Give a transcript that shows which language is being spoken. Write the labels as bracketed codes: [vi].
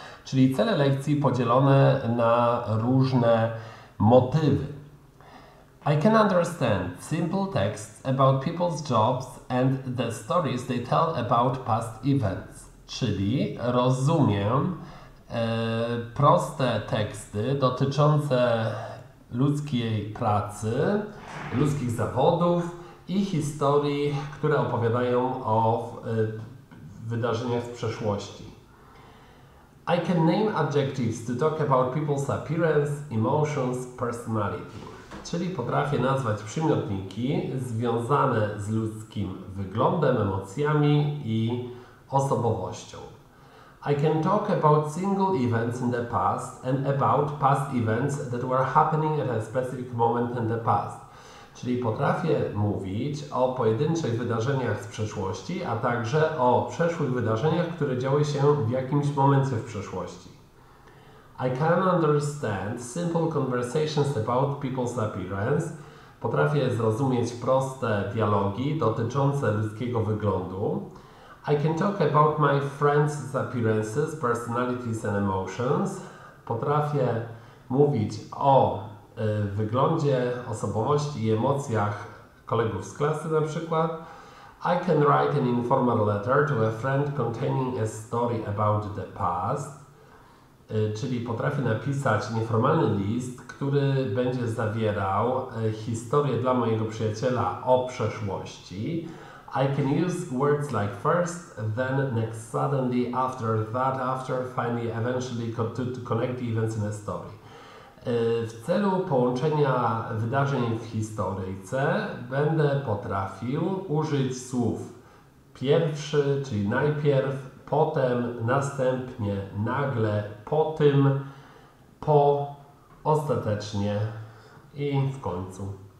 [pl] Czyli cele lekcji podzielone na różne motywy. [en] I can understand simple texts about people's jobs and the stories they tell about past events. [pl] Czyli rozumiem proste teksty dotyczące ludzkiej pracy, ludzkich zawodów i historii, które opowiadają o wydarzeniach z przeszłości. [en] I can name adjectives to talk about people's appearance, emotions, personality. [pl] Czyli potrafię nazwać przymiotniki związane z ludzkim wyglądem, emocjami i osobowością. [en] I can talk about single events in the past and about past events that were happening at a specific moment in the past. [pl] Czyli potrafię mówić o pojedynczych wydarzeniach z przeszłości, a także o przeszłych wydarzeniach, które działy się w jakimś momencie w przeszłości. [en] I can understand simple conversations about people's appearance. [pl] Potrafię zrozumieć proste dialogi dotyczące ludzkiego wyglądu. [en] I can talk about my friends' appearances, personalities and emotions. [pl] Potrafię mówić o wyglądzie, osobowości i emocjach kolegów z klasy na przykład. [en] I can write an informal letter to a friend containing a story about the past. [pl] Czyli potrafię napisać nieformalny list, który będzie zawierał historię dla mojego przyjaciela o przeszłości. [en] I can use words like first, then, next, suddenly, after, that, after, finally, eventually, to connect the events in a story. [pl] W celu połączenia wydarzeń w historyjce będę potrafił użyć słów pierwszy, czyli najpierw, potem, następnie, nagle, po tym, po, ostatecznie i w końcu.